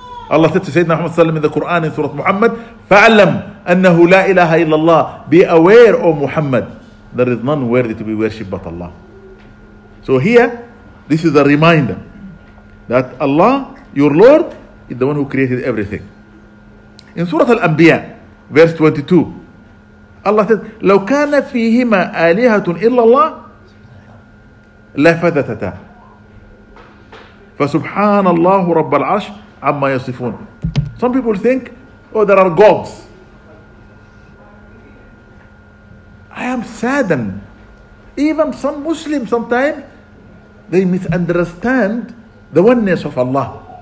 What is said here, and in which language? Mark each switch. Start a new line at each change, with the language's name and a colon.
English: Allah said to Sayyidina Muhammad Sallam in the Quran in Surah Muhammad,
Arabic: فَعَلَّمْ أَنَّهُ لَا إِلَهَ إِلَّا اللَّهِ.
English: Be aware, O Muhammad, there is none worthy to be worshipped but Allah. So here, this is a reminder that Allah, your Lord, is the one who created everything. In Surah Al-Anbiya, verse 22, Allah said,
Arabic: لَوْ كَانَتْ فِيهِمَا آلِهَةٌ إِلَّا اللَّهِ لَفَذَتَتَا فَسُبْحَانَ اللَّهُ رَبَّ الْعَرْشِ عَمَّا يَصِفُونَ.
English: Some people think, oh, there are gods. I am saddened. Even some Muslims sometimes, they misunderstand the oneness of Allah.